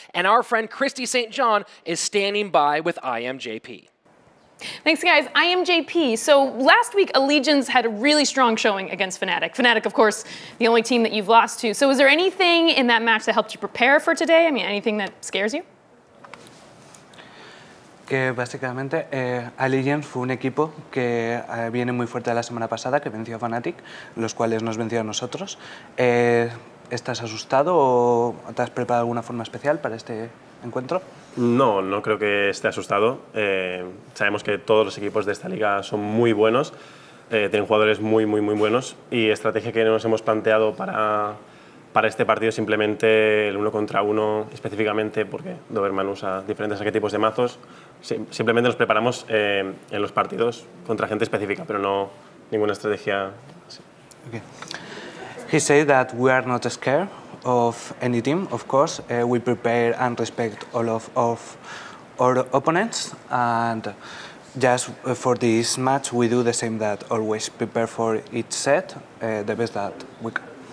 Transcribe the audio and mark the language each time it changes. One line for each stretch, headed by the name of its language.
English: And our friend Christy St. John is standing by with IMJP. Thanks, guys. I am JP. So last week, Allegiance had a really strong showing against Fnatic. Fnatic, of course, the only team that you've lost to. So was there anything in that match that helped you prepare for today? I mean, anything that scares you?
Spanish: Que básicamente, Allegiance fue un equipo que viene muy fuerte la semana pasada, que venció a Fnatic, los cuales nos venció a nosotros. ¿Estás asustado o te has preparado de alguna forma especial para este encuentro? No, no creo que esté asustado. Sabemos que todos los equipos de esta liga son muy buenos, tienen jugadores muy, muy, muy buenos. Y estrategia que nos hemos planteado para este partido, simplemente el uno contra uno, específicamente porque Doberman usa diferentes arquetipos de mazos. Simplemente nos preparamos en los partidos contra gente específica, pero no ninguna estrategia así.
English: Okay. He said that we are not scared of any team, of course. We prepare and respect all of our opponents. And just for this match, we do the same that always prepare for each set the best that we can.